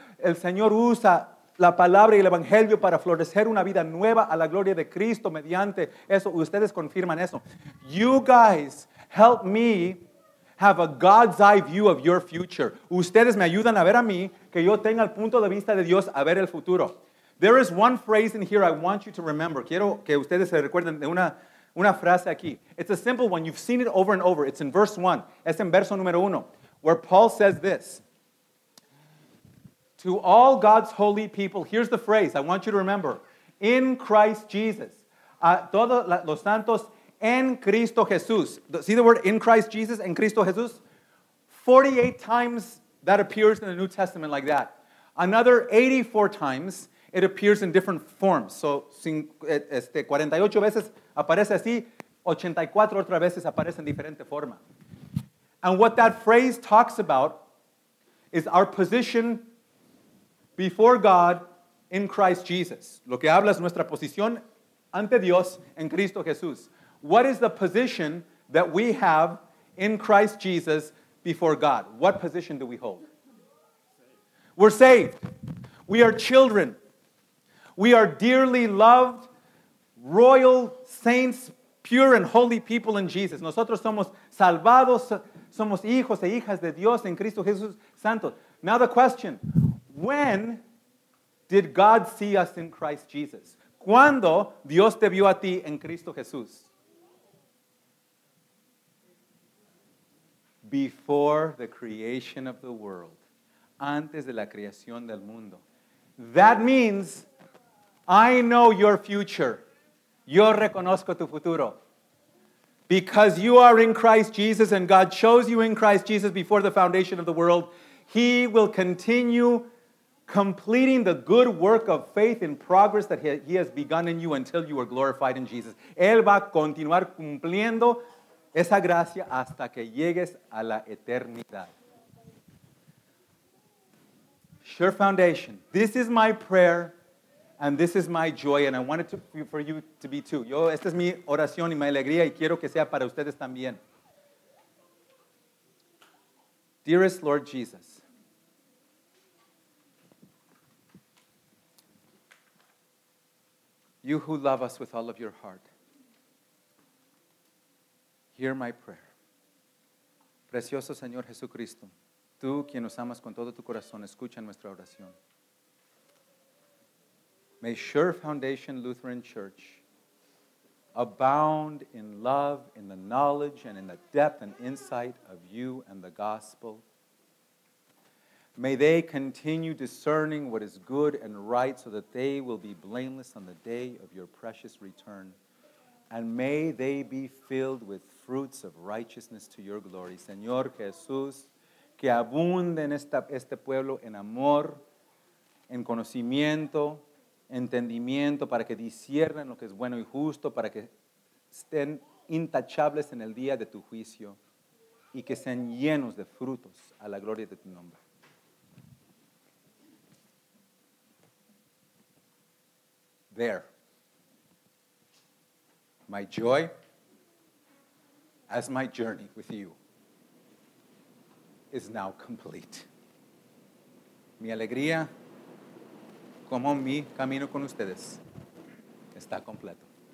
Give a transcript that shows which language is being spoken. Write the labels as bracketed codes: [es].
[es] El Señor usa la palabra y el evangelio para florecer una vida nueva a la gloria de Cristo mediante eso. Ustedes confirman eso. [en] You guys help me have a God's eye view of your future. [es] Ustedes me ayudan a ver a mí, que yo tenga el punto de vista de Dios a ver el futuro. [en] There is one phrase in here I want you to remember. [es] Quiero que ustedes se recuerden de una frase aquí. [en] It's a simple one. You've seen it over and over. It's in verse 1. [es] Es en verso número 1, [en] where Paul says this. To all God's holy people, here's the phrase I want you to remember. In Christ Jesus, [es] a todos los santos en Cristo Jesús. [en] See the word in Christ Jesus, [es] en Cristo Jesús? [en] 48 times that appears in the New Testament like that. Another 84 times it appears in different forms. [es] So 48 veces aparece así, 84 otras veces aparece en diferente forma. [en] And what that phrase talks about is our position before God in Christ Jesus. [es] Lo que habla es nuestra posición ante Dios en Cristo Jesús. [en] What is the position that we have in Christ Jesus before God? What position do we hold? We're saved. We are children. We are dearly loved, royal saints, pure and holy people in Jesus. [es] Nosotros somos salvados, somos hijos e hijas de Dios en Cristo Jesús Santo. [en] Now the question, when did God see us in Christ Jesus? [es] ¿Cuándo Dios te vio a ti en Cristo Jesús? [en] Before the creation of the world. [es] Antes de la creación del mundo. [en] That means, I know your future. [es] Yo reconozco tu futuro. [en] Because you are in Christ Jesus and God chose you in Christ Jesus before the foundation of the world, He will continue completing the good work of faith in progress that He has begun in you until you are glorified in Jesus. [es] Él va a continuar cumpliendo esa gracia hasta que llegues a la eternidad. [en] Sure foundation. This is my prayer, and this is my joy, and I want it for you to be too. [es] Yo, esta es mi oración y mi alegría, y quiero que sea para ustedes también. [en] Dearest Lord Jesus, you who love us with all of your heart, hear my prayer. [es] Precioso Señor Jesucristo, tú quien nos amas con todo tu corazón, escucha nuestra oración. [en] May Sure Foundation Lutheran Church abound in love, in the knowledge, and in the depth and insight of you and the gospel. May they continue discerning what is good and right so that they will be blameless on the day of your precious return. And may they be filled with fruits of righteousness to your glory. [es] Señor Jesús, que abunde en este pueblo en amor, en conocimiento, entendimiento, para que disciernan lo que es bueno y justo, para que estén intachables en el día de tu juicio y que sean llenos de frutos a la gloria de tu nombre. [en] There. My joy as my journey with you is now complete. [es] Mi alegría como mi camino con ustedes está completo.